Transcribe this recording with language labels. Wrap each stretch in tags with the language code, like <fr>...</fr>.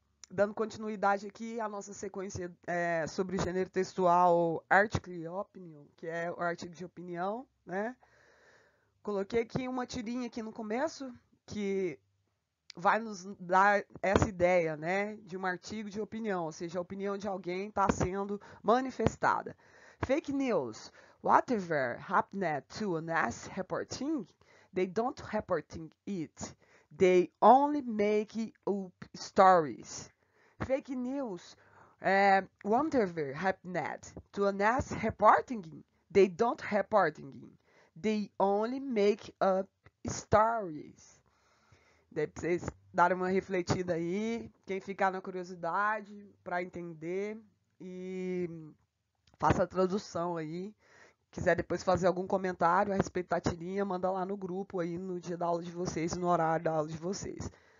<pt>Dando continuidade aqui à nossa sequência sobre gênero textual, article e opinion, que é o artigo de opinião, né? Coloquei aqui uma tirinha aqui no começo que vai nos dar essa ideia, né? De um artigo de opinião, ou seja, a opinião de alguém está sendo manifestada.</pt> <en>Fake news. Whatever happened to honest reporting, they don't reporting it. They only make up stories. Fake news. Whatever happened to honest reporting, they don't reporting. They only make up stories.</en> <pt>Deve vocês dar uma refletida aí, quem ficar na curiosidade para entender e faça a tradução aí. Quiser depois fazer algum comentário a respeito da tirinha, manda lá no grupo aí no dia da aula de vocês, no horário da aula de vocês.</pt>